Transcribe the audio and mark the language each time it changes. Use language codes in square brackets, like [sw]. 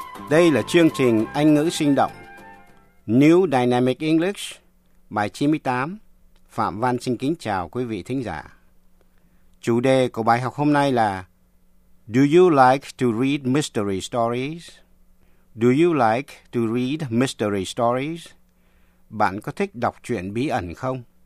[vi] Đây là chương trình Anh ngữ sinh động New Dynamic English, bài 98. Phạm Văn xin kính chào quý vị thính giả. Chủ đề của bài học hôm nay là [en] Do you like to read mystery stories? Do you like to read mystery stories? [vi] Bạn có thích đọc truyện bí ẩn không?